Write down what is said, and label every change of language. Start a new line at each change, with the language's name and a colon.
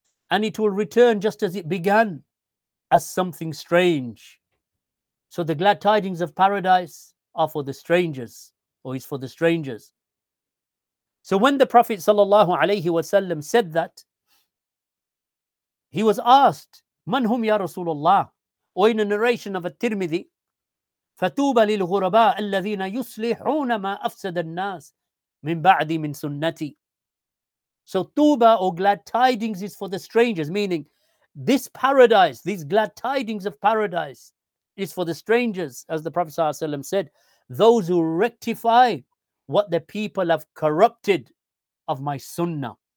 English: And it will return just as it began, as something strange. So the glad tidings of paradise are for the strangers, or is for the strangers. So when the Prophet ﷺ said that, he was asked,
Arabic: Man hum ya Rasulullah?
English: Or in a narration of a Tirmidhi,
Arabic: فَتُوبَ لِلْغُرَبَاءِ الَّذِينَ يُصْلِحُونَ مَا أَفْسَدَ النَّاسِ مِنْ بَعْدِ مِنْ سُنَّتِي.
English: So tuba, or glad tidings, is for the strangers, meaning this paradise, these glad tidings of paradise, is for the strangers, as the Prophet ﷺ said, those who rectify what the people have corrupted of my sunnah.